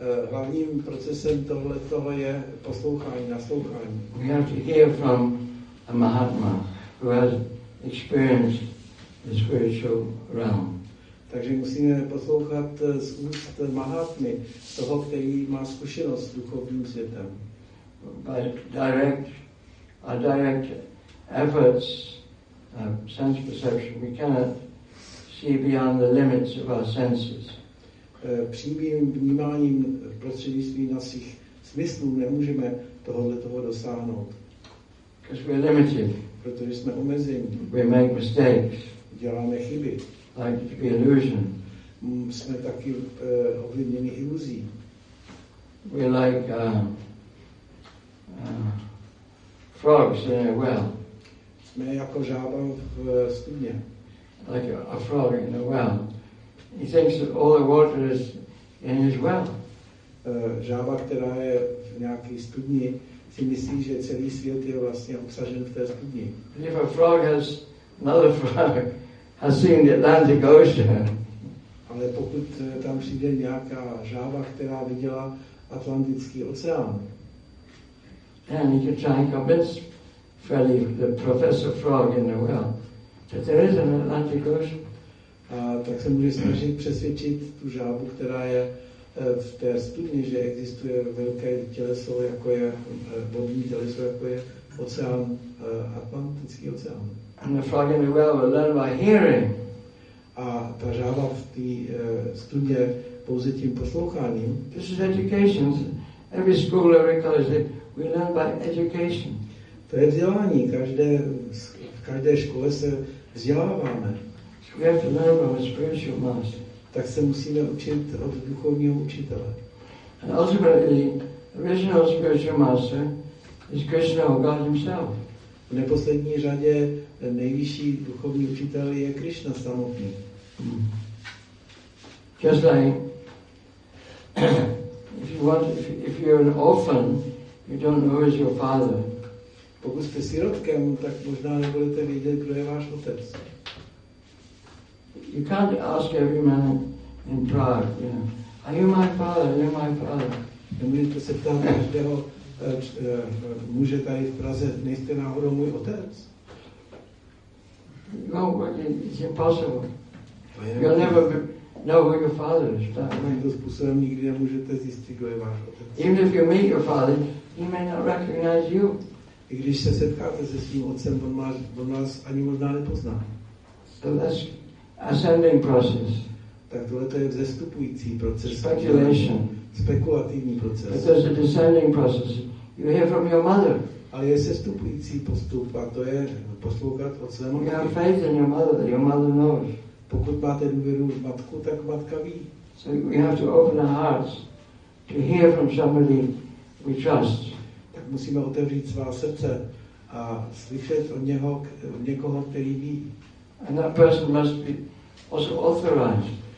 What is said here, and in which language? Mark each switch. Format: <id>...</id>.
<cs>Hlavním procesem tohoto je poslouchání, naslouchání.</cs> <en>We have to hear from a Mahatma who has experienced the spiritual realm.</en> <cs>Takže musíme poslouchat z úst Mahatmy, toho, který má zkušenost s duchovním světem.</cs> <en>But our direct efforts of sense perception, we cannot see beyond the limits of our senses.</en> <cs>Přímým vnímáním prostřednictvím našich smyslů nemůžeme tohoto dosáhnout.</cs> <en>Because we're limited.</en> <cs>Protože jsme omezení.</cs> <en>We make mistakes.</en> <cs>Děláme chyby.</cs> <en>Like to be illusion.</en> <cs>Jsme taky ovlivněni iluzí.</cs> <en>We're like frogs in a well.</en> <cs>Jsme jako žába v studně.</cs> <en>Like a frog in a well. He thinks that all the water is in his well.</en> <cs>Žába, která je v nějaké studni, si myslí, že celý svět je vlastně obsažen v té studni.</cs> <en>And if a frog has another frog has seen the Atlantic Ocean.</en> <cs>Ale pokud tam přijde nějaká žába, která viděla Atlantický oceán.</cs> <en>Then he can try and convince Freddy, the professor frog in the well, that there is an Atlantic Ocean.</en> <cs>A tak se může snažit přesvědčit tu žábu, která je v té studni, že existuje velké těleso, jako je vodní těleso, jako je oceán, Atlantický oceán.</cs> <en>And the frog in the well will learn by hearing.</en> <cs>A ta žába v té studni pouze tím posloucháním.</cs> <en>This is education. Every school, every college, we learn by education.</en> <cs>To je vzdělání. V každé škole se vzděláváme.</cs> <en>We have to learn from a spiritual master.</en> <cs>Tak se musíme učit od duchovního učitele.</cs> <en>And ultimately, the original spiritual master is Krishna or God himself.</en> <cs>V neposlední řadě nejvyšší duchovní učitel je Krishna samotný.</cs> <en>Just like if you're an orphan, you don't know who is your father.</en> <cs>Pokud jste sirotkem, tak možná nebudete vědět, kdo je váš otec.</cs> <en>You can't ask every man in Prague, you know, are you my father, are you my father?</en> <cs>Nemůžete se ptát každého muže tady v Praze, nejste náhodou můj otec?</cs> <en>No, it's impossible. You'll never know who your father is.</en> <cs>Tímto způsobem nikdy nemůžete zjistit, kdo je váš otec.</cs> <en>Even if you meet your father, he may not recognize you.</en> <cs>I když se setkáte se svým otcem, on nás ani možná nepozná.</cs> <en>So that's ascending process.</en> <cs>Tak tohle to je vzestupující proces.</cs> <en>Speculation.</en> <cs>Spekulativní proces.</cs> <en>But there's a descending process. You hear from your mother.</en> <cs>Ale je sestupující postup a to je poslouchat od své matky.</cs> <en>You have faith in your mother, that your mother knows.</en> <cs>Pokud máte důvěru v matku, tak matka ví.</cs> <en>So we have to open our hearts to hear from somebody we trust.</en> <cs>Tak musíme otevřít svá srdce a slyšet od někoho, který ví.</cs> <en>And that person must be also authorized.</en>